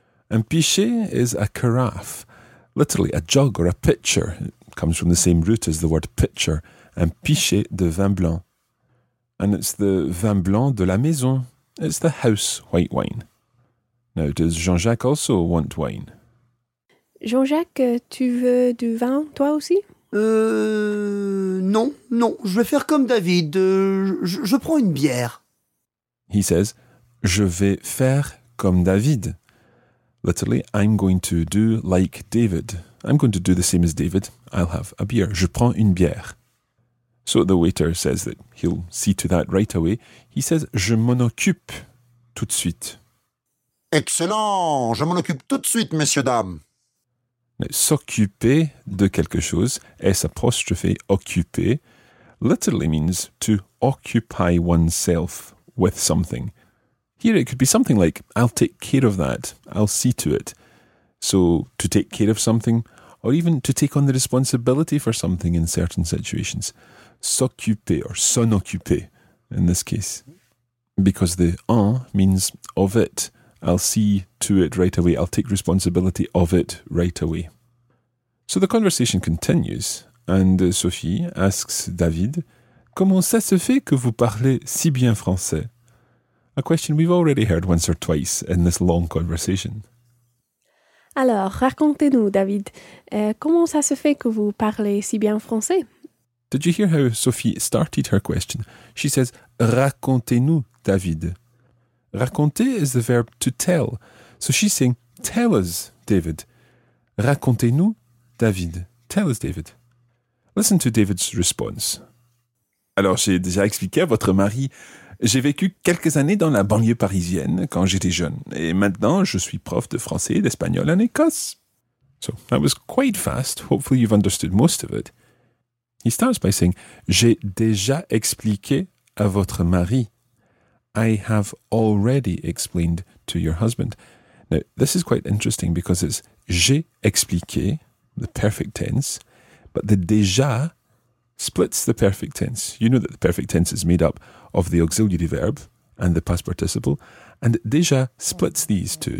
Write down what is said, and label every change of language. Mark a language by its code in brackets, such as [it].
[en] Un pichet is a carafe, literally a jug or a pitcher. It comes from the same root as the word pitcher. [fr] Un pichet de vin blanc. [en] And it's the [fr] vin blanc de la maison. [en] It's the house white wine. Now, does Jean-Jacques also want wine? [fr] Jean-Jacques, tu veux du vin, toi aussi? Non. Je vais faire comme David. Je prends une bière. [en] He says, [fr] je vais faire comme David. [en] Literally, I'm going to do like David. I'm going to do the same as David. I'll have a beer. [fr] Je prends une bière. [en] So the waiter says that he'll see to that right away. He says, [fr] je m'en occupe tout de suite. Excellent! Je m'en occupe tout de suite, messieurs, dames. [en] Now, [fr] s'occuper de quelque chose, [en] s'apostrophe occuper, literally means to occupy oneself with something. Here it could be something like, I'll take care of that, I'll see to it. So, to take care of something, or even to take on the responsibility for something in certain situations. S'occuper or s'en occuper in this case. Because the en means of it. I'll see to it right away. I'll take responsibility of it right away. So the conversation continues and Sophie asks David, [fr] comment ça se fait que vous parlez si bien français? [en] A question we've already heard once or twice in this long conversation. [fr] Alors, racontez-nous, David, comment ça se fait que vous parlez si bien français? [en] Did you hear how Sophie started her question? She says, [fr] racontez-nous, David. [en] Raconter is the verb to tell. So she's saying, tell us, David. [fr] Racontez-nous, David. [en] Tell us, David. Listen to David's response. [fr] Alors, j'ai déjà expliqué à votre mari, j'ai vécu quelques années dans la banlieue parisienne quand j'étais jeune. Et maintenant, je suis prof de français et d'espagnol en Écosse. [en] So that was quite fast. Hopefully you've understood most of it. He starts by saying, [fr] j'ai déjà expliqué à votre mari. [en] I have already explained to your husband. Now, this is quite interesting because it's j'ai expliqué, the perfect tense, but the déjà splits the perfect tense. You know that the perfect tense is made up of the auxiliary verb and the past participle, and déjà splits these two.